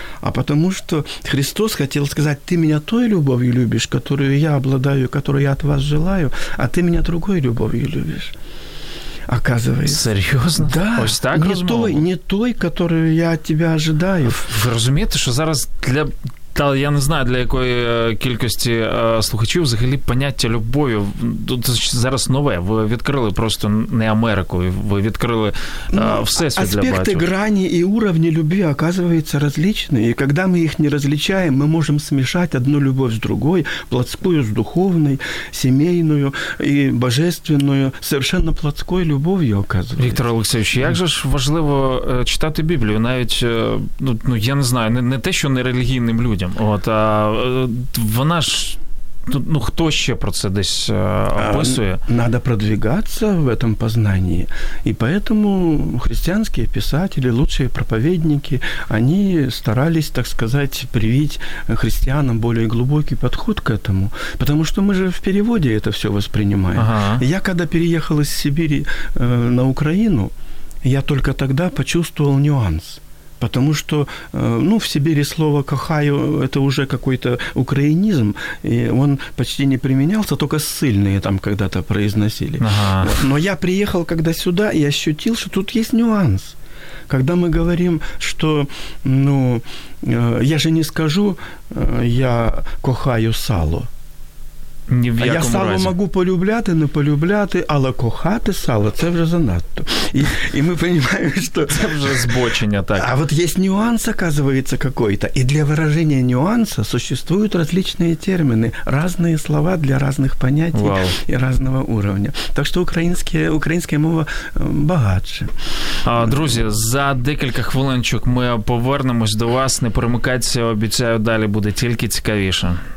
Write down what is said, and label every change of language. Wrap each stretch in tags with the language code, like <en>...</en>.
<ru>А потому что Христос хотел сказать, ты меня той любовью любишь, которую я обладаю, которую я от вас желаю, а ты меня другой любовью любишь. Оказывается. Серьезно? Да.</ru> <uk>Ось так не розмова?</uk> <ru>Не той, которую я от тебя ожидаю. Вы разумеете, что зараз для...</ru> <uk>Та я не знаю, для якої кількості слухачів взагалі поняття любові тут зараз нове. Ви відкрили просто не Америку, ви відкрили всесвіт для батьків. Аспекти, грані і уровні любові, оказывается, различні. І коли ми їх не розлічаємо, ми можемо смішати одну любов з другою, плотською з духовною, сімейною і божественною, совершенно плотською любов'ю, оказывается. Віктор Олексійович, як же ж важливо читати Біблію? Навіть, ну, я не знаю, не те, що не релігійним людям. От, а вона ж, ну, хто ще про це десь описує?</uk> <ru>Надо продвигаться в этом познании. И поэтому христианские писатели, лучшие проповедники, они старались, так сказать, привить христианам более глубокий подход к этому. Потому что мы же в переводе это все воспринимаем. Ага. Я когда переехал из Сибири на Украину, я только тогда почувствовал нюанс. Потому что, ну, в Сибири слово «кохаю» – это уже какой-то украинизм, и он почти не применялся, только ссыльные там когда-то произносили. Ага. Но я приехал когда сюда и ощутил, что тут есть нюанс. Когда мы говорим, что, ну, я же не скажу, я кохаю сало.</ru> <uk>Ні в якому я сало разі. Могу полюбляти, не полюбляти, але кохати сало – це вже занадто. І ми розуміємо, що... Це вже збочення, так. А от є нюанс,</uk> <ru>оказывается, какой-то.</ru> <uk>І для вираження нюанса существують различні терміни, різні слова для різних понять і різного рівня. Так що українська мова багатша. Друзі, за декілька хвилинчок ми повернемось до вас. Не перемикайтеся, обіцяю, далі буде тільки цікавіше.</uk>